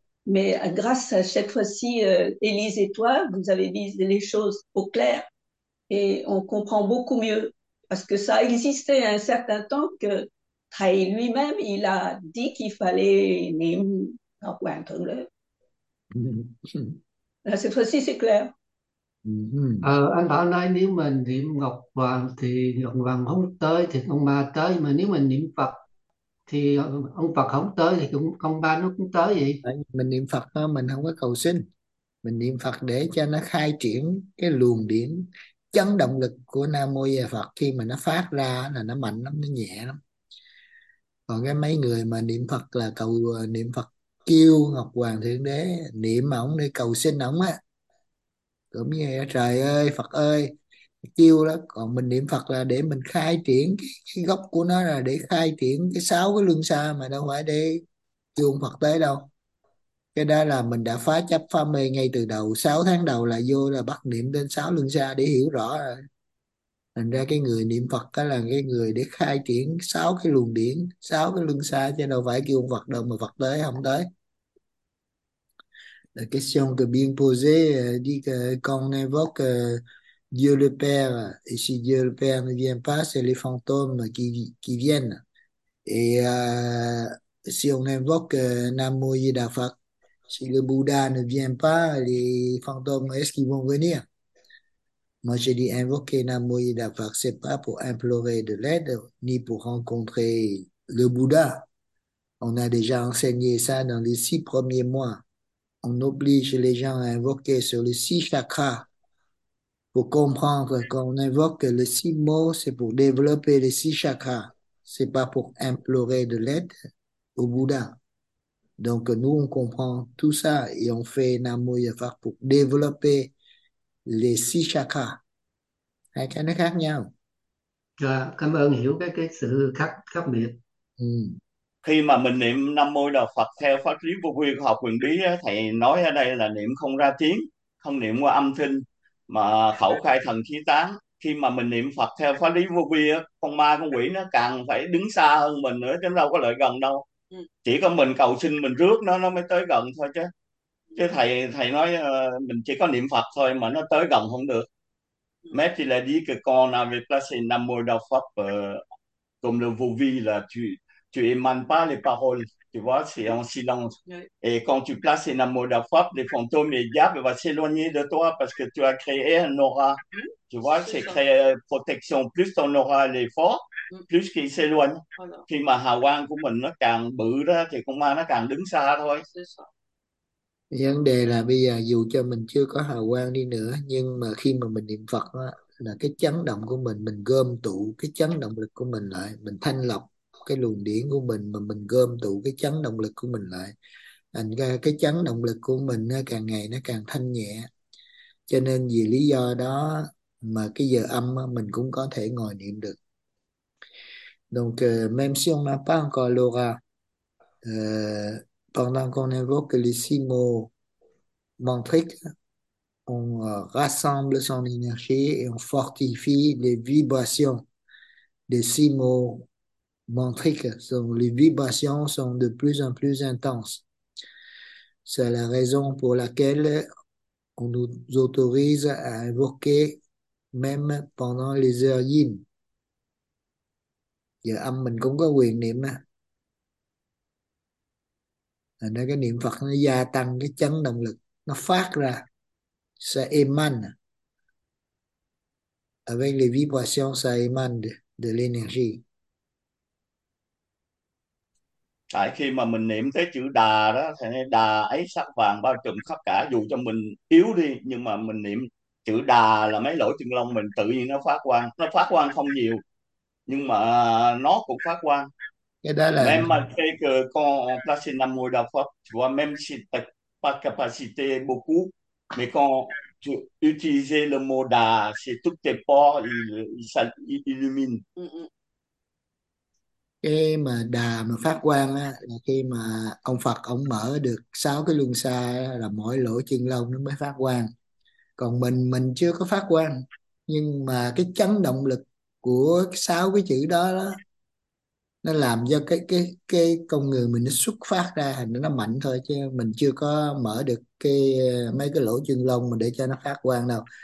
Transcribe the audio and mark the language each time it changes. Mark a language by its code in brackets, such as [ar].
[fr] Mais grâce à cette fois-ci, Élise et toi, vous avez mis les choses au clair et on comprend beaucoup mieux. Parce que ça a existé un certain temps que Thầy lui-même, il a dit qu'il fallait Nîmes Ngọc Hoàng Thượng Đế. Là cette fois-ci, c'est clair. [vi] Anh Bảo nói nếu mình niệm Ngọc Hoàng thì Ngọc Hoàng không tới thì con ma tới, mà nếu mình niệm Phật thì ông Phật không tới thì cũng con ma nó cũng tới vậy. Đấy, mình niệm Phật đó, mình không có cầu xin, mình niệm Phật để cho nó khai triển cái luồng điển chấn động lực của Nam Mô A Di Đà Phật, khi mà nó phát ra là nó mạnh lắm, nó nhẹ lắm. Còn cái mấy người mà niệm Phật là cầu niệm Phật kêu Ngọc Hoàng Thượng Đế niệm ổng để cầu xin ổng á, cũng như là trời ơi Phật ơi kêu đó. Còn mình niệm Phật là để mình khai triển cái gốc của nó, là để khai triển cái sáu cái luân xa, mà đâu phải để chuông Phật tới đâu. Cái đó là mình đã phá chấp phá mê ngay từ đầu, 6 tháng đầu là vô là bắt niệm đến sáu luân xa để hiểu rõ rồi. Thành ra cái người niệm Phật đó là cái người để khai triển sáu cái luồng điển, sáu cái luân xa, chứ đâu phải kêu Phật đâu mà Phật tới không tới. [fr] La question que bien posée dit que quand on invoque Dieu le Père, et si Dieu le Père ne vient pas, c'est les fantômes qui viennent. Et si on invoque Nam Mô A Di Đà Phật, si le Bouddha ne vient pas, les fantômes, est-ce qu'ils vont venir? Moi, j'ai dit invoquer Nam Mô A Di Đà Phật, ce n'est pas pour implorer de l'aide, ni pour rencontrer le Bouddha. On a déjà enseigné ça dans les 6 premiers mois. On oblige les gens à invoquer sur les 6 chakras pour comprendre qu'on invoque les 6 mots, c'est pour développer les 6 chakras. Ce n'est pas pour implorer de l'aide au Bouddha. Donc, nous, on comprend tout ça et on fait Nam Mô A Di Đà Phật pour développer les 6 chakras. [vi] Hai cái nó khác nhau. À, cảm ơn hiểu cái sự khác khác biệt. Khi mà mình niệm Nam Mô Đà Phật theo pháp lý vô vi của học huyền bí á, thầy nói ở đây là niệm không ra tiếng, không niệm qua âm thanh mà khẩu khai thần khí tán. Khi mà mình niệm Phật theo pháp lý vô vi á, con ma con quỷ nó càng phải đứng xa hơn mình nữa, chứ đâu có lợi gần đâu. Chỉ có mình cầu xin mình rước nó mới tới gần thôi chứ. Chứ thầy nói mình chỉ có niệm Phật thôi mà nó tới gần không được. Mẹ thì là đi cái con là việc là xin Nam Mô Đà Phật cùng là vô vi là [fr] tu es man pas les paroles, tu vois, c'est en silence. Et quand tu places les Nam Mô Da Phat, les fantômes et les diables vont s'éloigner de toi parce que tu as créé un aura. Tu vois, C'est c'est ça. créer protection. Plus ton aura est fort, plus qu'il s'éloigne. Voilà. [vi] Khi mà hào quang của mình nó càng bự đó, thì con ma nó càng đứng xa thôi. [fr] C'est ça. [vi] Vấn đề là bây giờ dù cho mình chưa có hào quang đi nữa, nhưng mà khi mà mình niệm Phật đó, là cái chấn động của mình gom tụ cái chấn động lực của mình lại, mình thanh lọc cái luồng điển của mình mà mình gom tụ cái chấn động lực của mình lại, thành ra cái chấn động lực của mình nó càng ngày nó càng thanh nhẹ. Cho nên vì lý do đó mà cái giờ âm mình cũng có thể ngồi niệm được. [fr] Donc même si on n'a pas encore l'aura, pendant qu'on invoque les six mots mantriques, on rassemble son énergie et on fortifie les vibrations des six mots mantrique. Donc, les vibrations sont de plus en plus intenses. C'est la raison pour laquelle on nous autorise à invoquer même pendant les heures yin. [vi] Giờ âm mình cũng có quyền niệm. Nên cái niệm Phật nó gia tăng cái chấn động lực, nó phát ra. [fr] Ça émane. Avec les vibrations, ça émane de l'énergie. [vi] Tại khi mà mình niệm tới chữ đà đó, thì đà ấy sắc vàng bao trùm khắp cả, dù cho mình yếu đi nhưng mà mình niệm chữ đà là mấy lỗ chân lông mình tự nhiên nó phát quang. Nó phát quang không nhiều nhưng mà nó cũng phát quang. Cái đó là [fr] Même [vi] mà cái cơ con [fr] placer Nam Mô Đà Phật, tu vois, même si tu n'as pas capacité beaucoup, mais quand tu utilises le mot đà, c'est toutes tes pores, il [vi] cái mà đà mà phát quang á, là khi mà ông Phật ông mở được sáu cái luân xa á, là mỗi lỗ chân lông nó mới phát quang. Còn mình chưa có phát quang, nhưng mà cái chấn động lực của sáu cái chữ đó đó nó làm cho cái con người mình nó xuất phát ra, thành nó mạnh thôi, chứ mình chưa có mở được cái mấy cái lỗ chân lông mà để cho nó phát quang đâu.